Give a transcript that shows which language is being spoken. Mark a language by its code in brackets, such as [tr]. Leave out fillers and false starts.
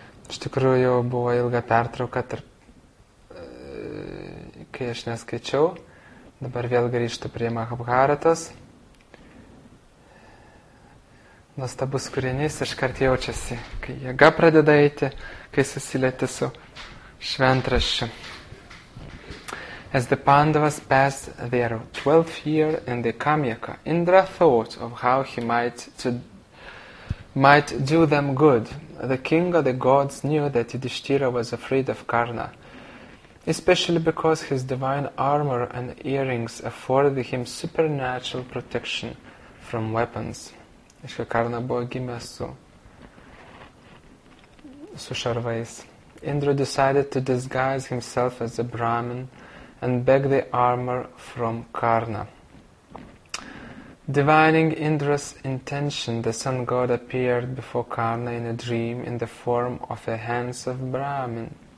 [lt] Iš tikrųjų buvo ilga pertrauka, kai aš neskaičiau. Dabar vėl grįžtu prie Mahabharatas. Nuostabus kūrinys, iš kart jaučiasi, kai jėga pradeda eiti, kai susilieti su šventraščiu. [en] As the Pandavas passed their 12th year in the Kamyaka, Indra thought of how he might do them good. The king of the gods knew that Yudhishthira was afraid of Karna, especially because his divine armor and earrings afforded him supernatural protection from weapons. [lt] Iškia, Karna buvo gimęs su šarvais. [en] Indra decided to disguise himself as a Brahmin and beg the armor from Karna. Divining Indra's intention, the sun god appeared before Karna in a dream in the form of a hands of Brahmin.